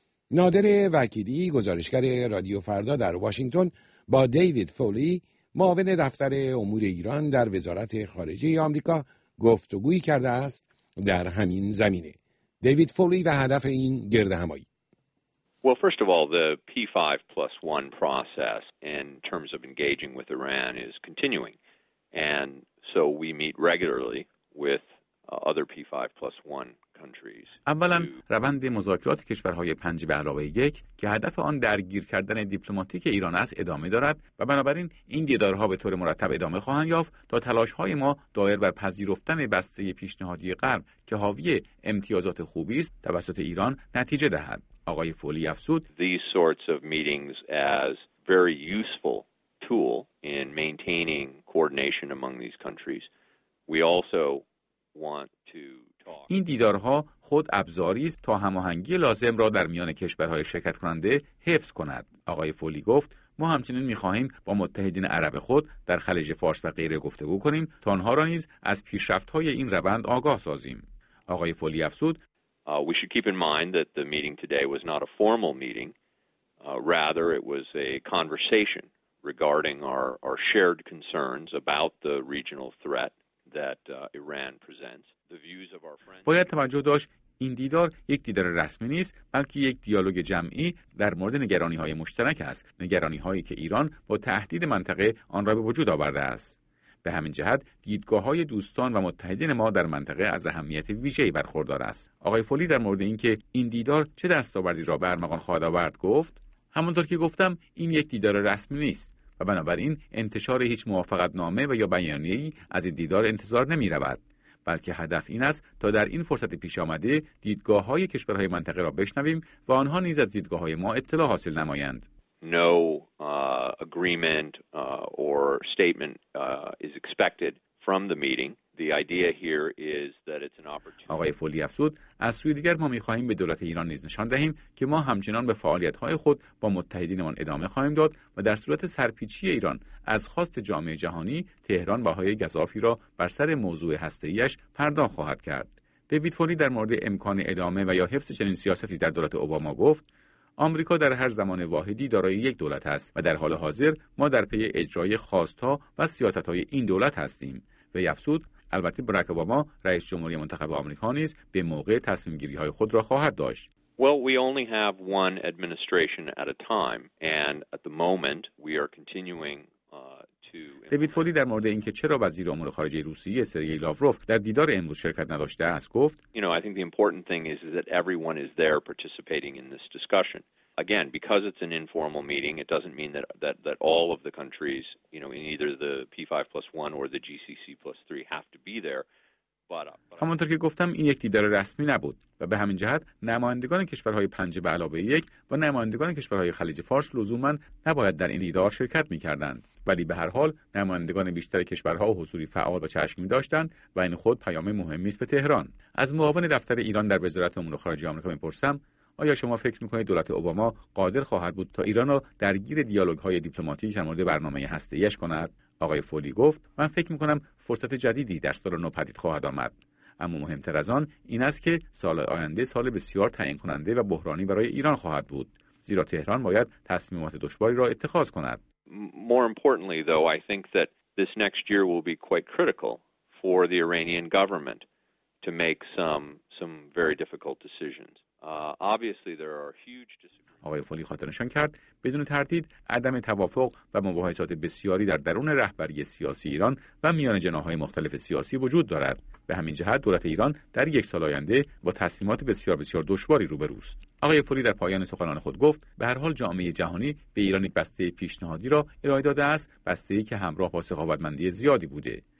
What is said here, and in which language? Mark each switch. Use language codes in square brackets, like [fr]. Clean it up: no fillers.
[fa] نادر وکیلی، گزارشگر رادیو فردا در واشنگتن، با دیوید فولی، معاون دفتر امور ایران در وزارت خارجه آمریکا گفتگویی کرده است در همین زمینه. دیوید فولی و هدف این گردهمایی. [en] Well, first of all, the P5+1 process in terms of engaging with Iran is continuing. And so we meet regularly with other P5+1 countries. [fa] اولا روند مذاکرات کشورهای 5 به علاوه 1 که هدف آن درگیر کردن دیپلماتیک ایران است ادامه دارد و بنابراین این دیدارها به طور مرتب ادامه خواهند یافت تا تلاش‌های ما دایر بر پذیرفتن بسته پیشنهادی غرب که حاوی امتیازات خوبی است توسط ایران نتیجه دهد. آقای فولی افزود [en] These sorts of meetings as very useful tool in maintaining coordination among these countries. We also want to talk. [fa] این دیدارها خود ابزاری است تا هماهنگی لازم را در میان کشورهای شرکت کننده حفظ کند. آقای فولی گفت ما همچنین می‌خواهیم با متحدین عرب خود در خلیج فارس و غیره گفتگو کنیم تا آنها را نیز از پیشرفت‌های این روند آگاه سازیم. آقای فولی افزود [en] We should keep in mind that the meeting today was not a formal meeting. Rather, it was a conversation regarding our shared concerns about the regional threat that Iran presents. The views of our friends. [fa] باید توجه داشت این دیدار یک دیدار رسمی نیست، بلکه یک دیالوگ جمعی در مورد نگرانی‌های مشترک است. نگرانی‌هایی که ایران با تهدید منطقه آن را به وجود آورده است. به همین جهت دیدگاه‌های دوستان و متحدین ما در منطقه از اهمیت ویژه‌ای برخوردار است. آقای فولی در مورد اینکه این دیدار چه دستاوردی را به ارمغان خواهد آورد گفت: همونطور که گفتم این یک دیدار رسمی نیست و بنابراین انتشار هیچ موافقت‌نامه و یا بیانیه‌ای از این دیدار انتظار نمی‌رود، بلکه هدف این است تا در این فرصت پیش آمده دیدگاه‌های کشورهای منطقه را بشنویم و آنها نیز از دیدگاه‌های ما اطلاع حاصل نمایند. [en] No agreement or statement is expected from the meeting. The idea here is that it's an opportunity. [fa] آقای فولی افزود از سوی دیگر ما می‌خواهیم به دولت ایران نیز نشان دهیم که ما همچنان به فعالیت‌های خود با متحدینمان ادامه خواهیم داد و در صورت سرپیچی ایران از خواست جامعه جهانی تهران بهای گزافی را بر سر موضوع هسته‌ای‌اش پرداخت خواهد کرد. دیوید فولی در مورد امکان ادامه و یا حفظ چنین سیاستی در دولت اوباما گفت: آمریکا در هر زمان واحدی دارای یک دولت است و در حال حاضر ما در پی اجرای خواست‌ها و سیاست‌های این دولت هستیم. و افزود البته براک اوباما رئیس جمهوری منتخب آمریکا نیز به موقع تصمیم‌گیری‌های خود را خواهد داشت. [en] Well, we only have one administration at a time and at the moment we are continuing [fa] دیوید فولی در مورد اینکه چرا وزیر امور خارجه روسیه سرگی لاوروف در دیدار امروز شرکت نداشته است گفت [en] You know, I think the important thing is that everyone is there participating in this discussion. Again, because it's an informal meeting, it doesn't mean that all of the countries, you know, in either the P5+1 or the GCC+3 have to be there. [fa] همانطور که گفتم این یک دیدار رسمی نبود و به همین جهت نمایندگان کشورهای 5 به علاوه 1 و نمایندگان کشورهای خلیج فارس لزوماً نباید در این دیدار شرکت می‌کردند، ولی به هر حال نمایندگان بیشتر کشورها حضوری فعال و چشمگیر داشتند و این خود پیام مهمی است به تهران. از معاون دفتر ایران در وزارت امور خارجه آمریکا می‌پرسم آیا شما فکر می‌کنید دولت اوباما قادر خواهد بود تا ایران را درگیر دیالوگ‌های دیپلماتیک در مورد برنامه هسته‌ای‌اش کند؟ آقای فولی گفت من فکر می‌کنم فرصت جدیدی در سال نو پدید خواهد آمد، اما مهمتر از آن این است که سال آینده سال بسیار تعیین کننده و بحرانی برای ایران خواهد بود، زیرا تهران باید تصمیمات دشواری را اتخاذ کند. [en] More importantly though, I think that this next year will be quite critical for the Iranian government to make some very difficult decisions. Obviously there are huge [fa] آقای فولی خاطر نشان کرد بدون تردید عدم توافق و مباحثات بسیاری در درون رهبری سیاسی ایران و میان جناح‌های مختلف سیاسی وجود دارد. به همین جهت دولت ایران در یک سال آینده با تصمیمات بسیار بسیار دشواری روبروست. آقای فولی در پایان سخنان خود گفت به هر حال جامعه جهانی به ایران یک بسته پیشنهادی را ارائه داده است، بسته‌ای که همراه با سخاوتمندی زیادی بوده.